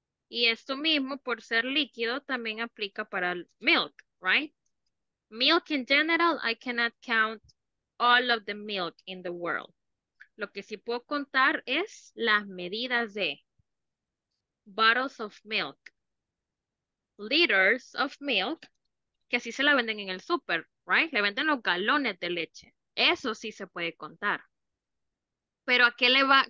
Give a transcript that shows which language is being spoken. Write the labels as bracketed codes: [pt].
[es] Y esto mismo, por ser líquido, también aplica para milk, right? [en] Milk in general, I cannot count all of the milk in the world. [es] Lo que sí puedo contar es las medidas de [en] bottles of milk, liters of milk, [es] que así se la venden en el súper, right? Le venden los galones de leche. Eso sí se puede contar. Pero ¿a qué le va?